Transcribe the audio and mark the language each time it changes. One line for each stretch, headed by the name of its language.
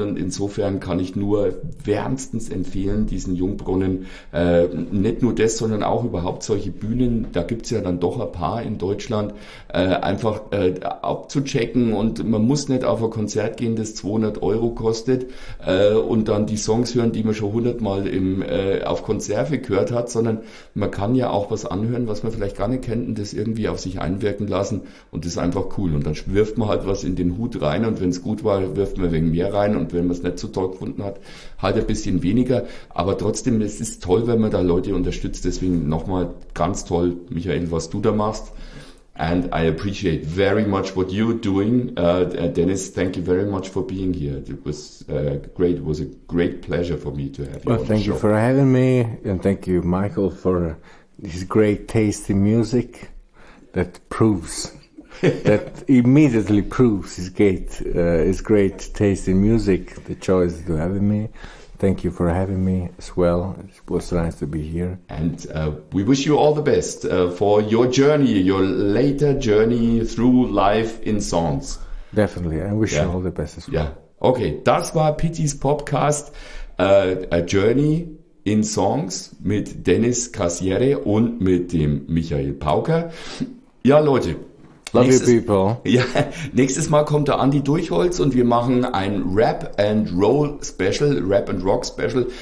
German: Und insofern kann ich nur wärmstens empfehlen, diesen Jungbrunnen, nicht nur das, sondern auch überhaupt solche Bühnen, da gibt es ja dann doch ein paar in Deutschland, einfach abzuchecken, und man muss nicht auf ein Konzert gehen, das 200 € kostet, und dann die Songs hören, die man schon 100 Mal auf Konserve gehört hat, sondern man kann ja auch was anhören, was man vielleicht gar nicht kennt, und das irgendwie auf sich einwirken lassen, und das ist einfach cool. Und dann wirft man halt was in den Hut rein, und wenn es gut war, wirft man ein wenig mehr rein, und wenn man es nicht so toll gefunden hat, halt ein bisschen weniger. Aber trotzdem, es ist toll, wenn man da Leute unterstützt, deswegen nochmal ganz toll, Michael, was du da machst.
English: And I appreciate very much what you're doing. Dennis, thank you very much for being here. It was great. It was a great pleasure for me to have you Well, on the thank you show. for having me, and thank you, Michael, for this great taste in music that proves, that immediately proves his great taste in music, the choice to having me. Thank you for having me as well. It was nice to be here. And we wish you all the best for your journey, your later journey through life in songs. Definitely, I wish you Yeah. all the best as well. Yeah.
German: Okay, das war Pitys Podcast, A Journey in Songs mit Dennis Cassiere und mit dem Michael Pauker. Ja, Leute,
English: Love you, people.
German: Nächstes Mal kommt der Andi Durchholz, und wir machen ein Rap and Roll Special, Rap and Rock Special.